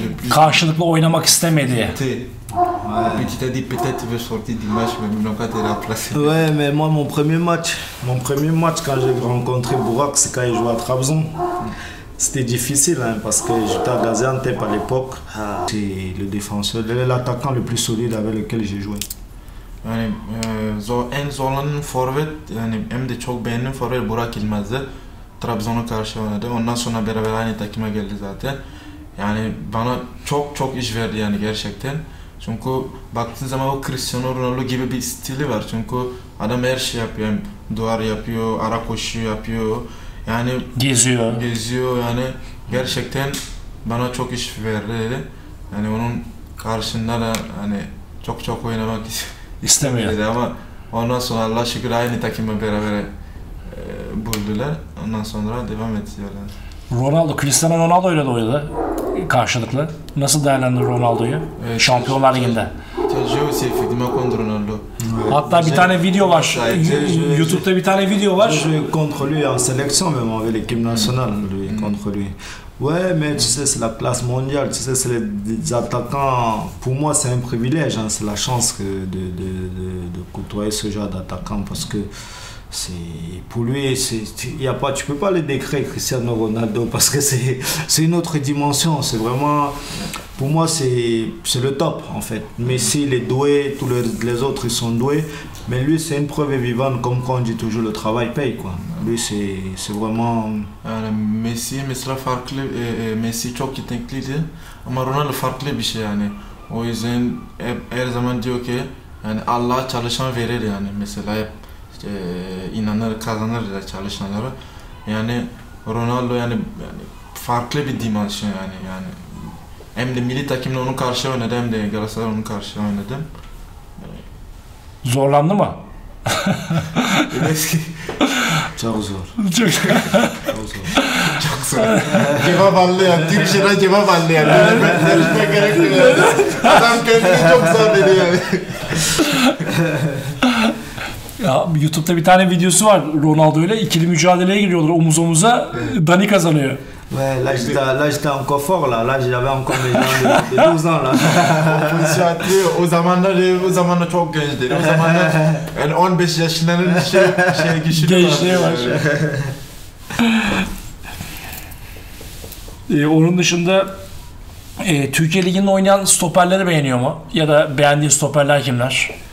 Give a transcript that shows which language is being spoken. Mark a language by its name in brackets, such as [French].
[Turkish] Karşılıklı oynamak istemedi. [French] Petit a dit peut-être veut sortir du match mais ils n'ont pas été remplacés. Ouais mais moi mon premier match quand j'ai rencontré Burak c'est quand il jouait à Trabzon. C'était difficile hein, parce que j'étais à Gaziantep à l'époque. C'est le défenseur, l'attaquant le plus solide avec lequel j'ai joué. [Turkish] Yani en zorlanan forvet yani hem de çok beğendiğim forvet Burak İlmaz'dı. Trabzon'a karşı oynadı. Ondan sonra beraber aynı takıma geldi zaten. Yani bana çok çok iş verdi yani gerçekten. Çünkü baktığın zaman o Cristiano Ronaldo gibi bir stili var. Çünkü adam her şey yapıyor. Yani duvar yapıyor, ara koşu yapıyor. Yani geziyor. Geziyor yani. gerçekten bana çok iş verdi. Yani onun karşısında da hani çok çok oynamak İstemiyor. istemedi ama ondan sonra Allah'a şükür aynı takımı beraber buldular. Ondan sonra devam ettiler. Ronaldo, Cristiano Ronaldo ile de oynadı karşılıklı. Nasıl değerlendirdi Ronaldo'yu Şampiyonlar Ligi'nde? Ronaldo. Hatta bir tane video var. YouTube'da bir tane video var. [French] Je contrôle en sélection même avec l'équipe nationale, lui contrôle. Ouais, mais tu sais, c'est la classe mondiale, tu sais, c'est les attaquants. Pour moi, c'est un privilège, hein. C'est la chance de côtoyer ce genre d'attaquant parce que c'est pour lui, y a pas, tu peux pas le décrire Cristiano Ronaldo parce que c'est une autre dimension. C'est vraiment, pour moi, c'est le top en fait. Messi, il est doué, tous les autres ils sont doués, mais lui, c'est une preuve vivante comme quand on dit toujours le travail paye quoi. Lui, c'est vraiment. [Turkish] Messi mesela farklı, Messi çok yetenekliydi ama Ronaldo farklı bir şey yani. O yüzden her zaman diyor ki yani Allah'a çalışan verir yani mesela hep. İnanır kazanır da çalışanları. Yani Ronaldo yani farklı bir dimansiyon yani. Hem de milli takımla onun karşı oynadı hem de Galatasaray onun karşı oynadı. Zorlandı mı? Eski çok zor. Çok Çok zor. Cevap aldı ya. Tüm şeyler cevap aldı ya. Ben gerek yok. Adam kendini çok zor dedi yani. Ya, YouTube'da bir tane videosu var Ronaldo ile ikili mücadeleye giriyorlar omuz omuza evet. Dani kazanıyor. [French] Ouais, là j'étais encore fort là, là j'avais encore mes jambes de 12 ans là. [Turkish] O zamanlar çok gençti. O zamanlar yani 15 yaşından şey kişi gençliği var. onun dışında Türkiye Ligi'nde oynayan stoperleri beğeniyor mu? Ya da beğendiği stoperler kimler?